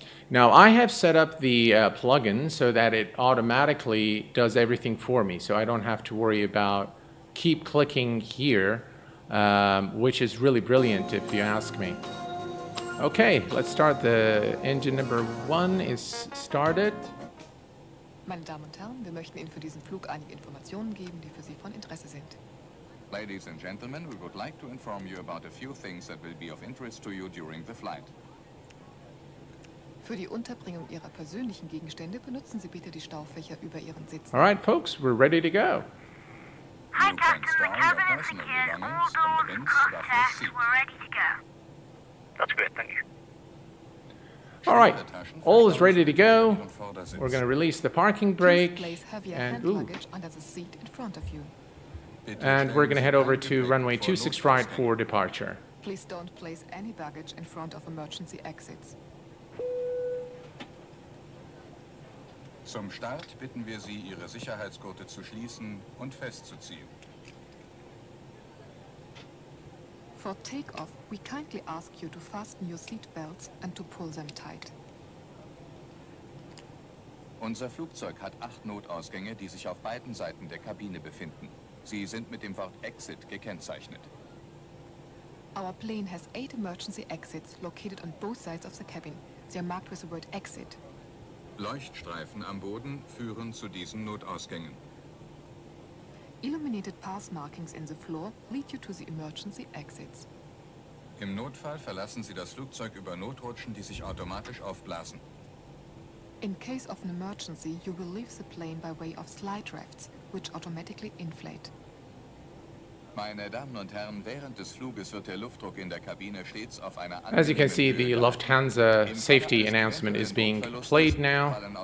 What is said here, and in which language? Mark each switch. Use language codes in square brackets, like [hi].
[en] Now, I have set up the plugin so that it automatically does everything for me, so I don't have to worry about keep clicking here, which is really brilliant if you ask me. Okay, let's start. The engine number 1 is started. [de] Meine Damen und Herren, wir möchten Ihnen für diesen Flug einige Informationen geben, die für Sie von Interesse sind. [en] Ladies and gentlemen, we would like to inform you about a few things that will be of interest to you during the flight. [de] Für die Unterbringung Ihrer persönlichen Gegenstände benutzen Sie bitte die Staufächer über Ihren Sitzen. [en] All right, folks, we're ready to go. Hi, Captain. The cabin is secured. All doors are locked. We're ready to go. That's great, thank you. All right, all is ready to go. We're going to release the parking brake. And, ooh. Under the seat in front of you. And we're going to head over to runway 26 right for departure. Please don't place any baggage in front of emergency exits. [de] Zum Start bitten wir Sie, Ihre Sicherheitsgurte zu schließen und festzuziehen. [en] For takeoff, we kindly ask you to fasten your seat belts and to pull them tight. [de] Unser Flugzeug hat 8 Notausgänge, die sich auf beiden Seiten der Kabine befinden. Sie sind mit dem Wort Exit gekennzeichnet. [en] Our plane has 8 emergency exits located on both sides of the cabin. They are marked with the word Exit. [de] Leuchtstreifen am Boden führen zu diesen Notausgängen. [en] Illuminated path markings in the floor lead you to the emergency exits. [de] Im Notfall verlassen Sie das Flugzeug über Notrutschen, die sich automatisch aufblasen. [en] In case of an emergency, you will leave the plane by way of slide drafts, which automatically inflate. [de] Meine Damen und Herren, während des Fluges wird der Luftdruck in der Kabine stets auf einer angenehmen. [en] As you can see, the Lufthansa safety announcement is being played now.